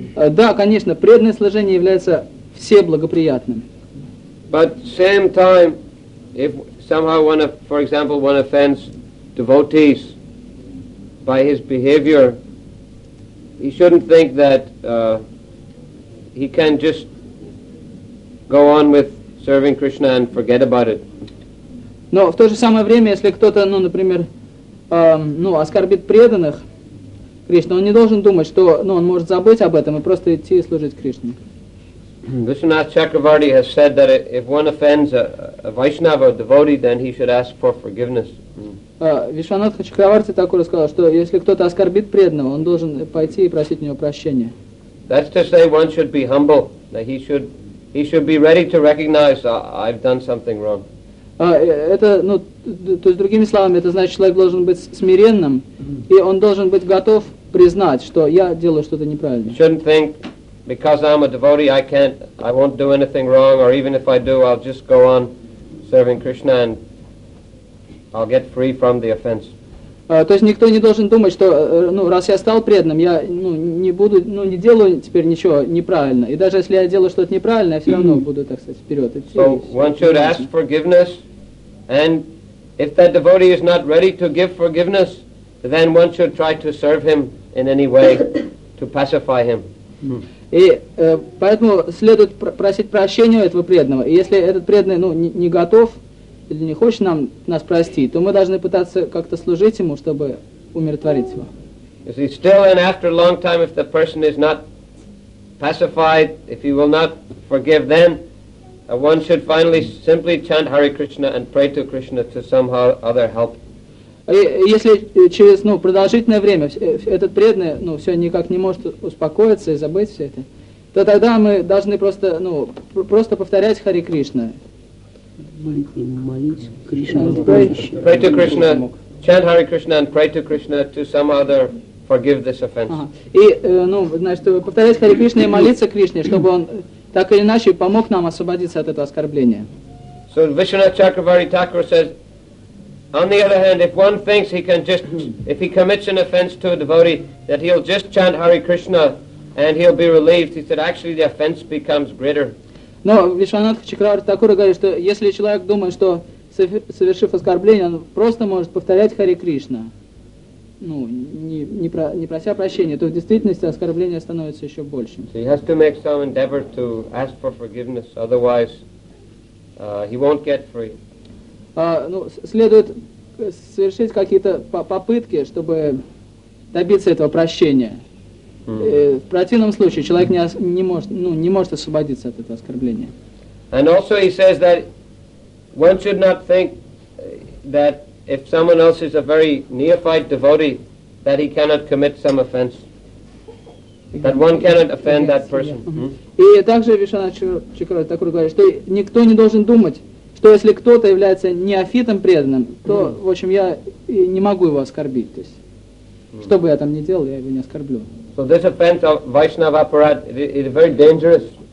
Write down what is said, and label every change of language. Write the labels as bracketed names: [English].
[Russian] Да, конечно, преданное служение является всеблагоприятным. [English] But same time, if somehow one, for example, one offends devotees by his behavior, he shouldn't think that he can just go on with serving Krishna and forget about it. [Russian] Но в то же самое время, если кто-то, ну, например, оскорбит преданных Кришне, он не должен думать, что, ну, он может забыть об этом и просто идти и служить Кришне. [English] Vishwanath Chakravarti has said that if one offends a Vaishnava devotee, then he should ask for forgiveness. [Russian] Vishwanath Chakravarti так уже сказал, что если кто-то оскорбит преданного, он должен пойти и просить у него прощения. [English] That's to say one should be humble, that he should be ready to recognize I've done something wrong. [Russian] То есть, другими словами, это значит, человек должен быть смиренным, и он должен быть готов признать, что я делаю что-то неправильно. [English] Shouldn't think, because I'm a devotee, I won't do anything wrong, or even if I do, I'll just go on serving Krishna and I'll get free from the offense. [Russian] То есть никто не должен думать, что, ну, раз я стал преданным, я, ну, не буду, ну, не делаю теперь ничего неправильно. И даже если я делаю что-то неправильно, я все равно буду, так сказать, вперед идти. [English] So one should ask forgiveness, and if that devotee is not ready to give forgiveness, then one should try to serve him in any way to pacify him. [Russian] И поэтому следует просить прощения у этого преданного. И если этот преданный, ну, не готов или не хочет нас простить, то мы должны пытаться как-то служить ему, чтобы умиротворить его. [English] You see, still and after a long time, if the person is not pacified, if he will not forgive, then one should finally simply chant Hare Krishna and pray to Krishna to somehow other help. [Russian] Если через, ну, продолжительное время этот преданный, ну, все никак не может успокоиться и забыть все это, то тогда мы должны просто, ну, просто повторять Хари Кришна. [English] Pray to Krishna, chant Hare Krishna and pray to Krishna to some other forgive this offense. [Russian] И, ну, значит, повторять Хари Кришна и молиться Кришне, чтобы он так или иначе помог нам освободиться от этого оскорбления. [English] So Vishwanath Chakravarti Thakur says, on the other hand, if one thinks he can just, if he commits an offense to a devotee, that he'll just chant Hare Krishna and he'll be relieved, he said, actually the offense becomes greater. [Russian] Но Вишванатха Чакраварти Такура говорит, что если человек думает, что, совершив оскорбление, он просто может повторять Хари Кришна, ну, не прося прощения, то в действительности оскорбление становится еще большим. [English] So he has to make some endeavor to ask for forgiveness, otherwise he won't get free. [Russian] Следует совершить какие-то попытки, чтобы добиться этого прощения. В противном случае человек не может освободиться от этого оскорбления. [English] And also he says that one should not think that if someone else is a very neophyte devotee that he cannot commit some offense. That one cannot offend that person. [Russian] И также Вишванатха Чакравати Такура говорит, что никто не должен думать, что если кто-то является неофитом преданным, то, в общем, я не могу его оскорбить. То есть, что бы я там ни делал, я его не оскорблю. [English] So this offense of Vaishnava Aparad is very dangerous.